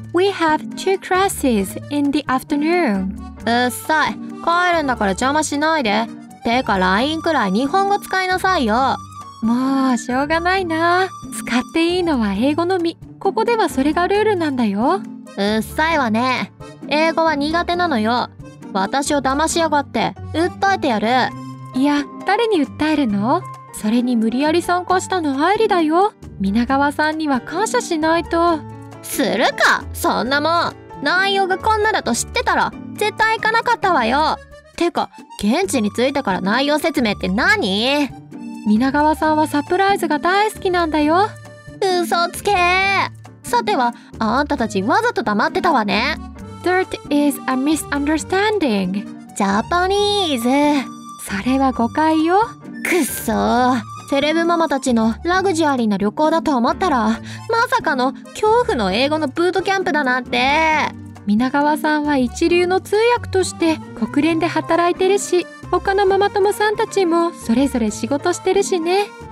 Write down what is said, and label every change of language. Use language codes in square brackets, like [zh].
[en] We have two classes in the afternoon. [ja] うっさい、帰るんだから邪魔しないで。てか LINE くらい日本語使いなさいよ。もうしょうがないな、使っていいのは英語のみ。ここではそれがルールなんだよ。うっさいわね、英語は苦手なのよ。私を騙しやがって、訴えてやる。いや、誰に訴えるの？それに無理やり参加したの愛理だよ。皆川さんには感謝しないと。するか、そんなもん。内容がこんなだと知ってたら絶対行かなかったわよ。てか現地に着いたから内容説明って何？皆川さんはサプライズが大好きなんだよ。嘘つけ。さては、あんたたちわざと黙ってたわね。 [en] That is a misunderstanding. Japanese. [ja] それは誤解よ。くっそー、セレブママたちのラグジュアリーな旅行だと思ったら、まさかの恐怖の英語のブートキャンプだなんて。皆川さんは一流の通訳として国連で働いてるし、他のママ友さんたちもそれぞれ仕事してるしね。